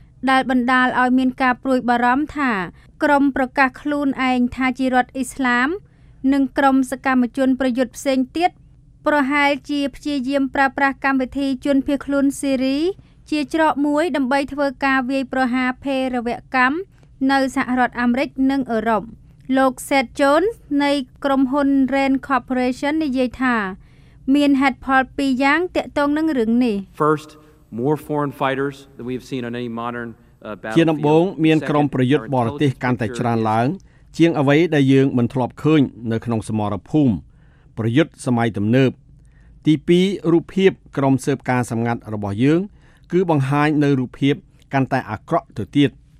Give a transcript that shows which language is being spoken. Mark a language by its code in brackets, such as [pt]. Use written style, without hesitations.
[km] ដែលបណ្ដាលឲ្យមានការព្រួយបារម្ភថាក្រុមប្រកាសខ្លួនឯងថាជារដ្ឋអ៊ីស្លាមនិងក្រុមសកម្មជនប្រយុទ្ធផ្សេងទៀតប្រហែលជាព្យាយាមប្រើប្រាស់កម្មវិធីជនភៀសខ្លួនសេរីជាច្រកមួយដើម្បីធ្វើការវាយប្រហារភេរវកម្មនៅសហរដ្ឋអាមេរិកនិងអឺរ៉ុបលោក Seth Jones នៃក្រុមហ៊ុន Rand Corporation និយាយថាមានហេតុផល2យ៉ាងទាក់ទងនឹងរឿងនេះ [en] First,More foreign fighters than we've seen on any modern battlefield. [km] ជាដំបូងមានក្រុមប្រយុទ្ធបរទេសកាន់តែច្រើនឡើងជាងអ្វីដែលយើងមិនធ្លាប់ឃើញនៅក្នុងសមរភូមិប្រយុទ្ធសម័យទំនើបទី2រូបភាពក្រុមស៊ើបការសម្ងាត់របស់យើងគឺបង្ហាញនៅរូបភាពកាន់តែអាក្រក់ទៅទៀត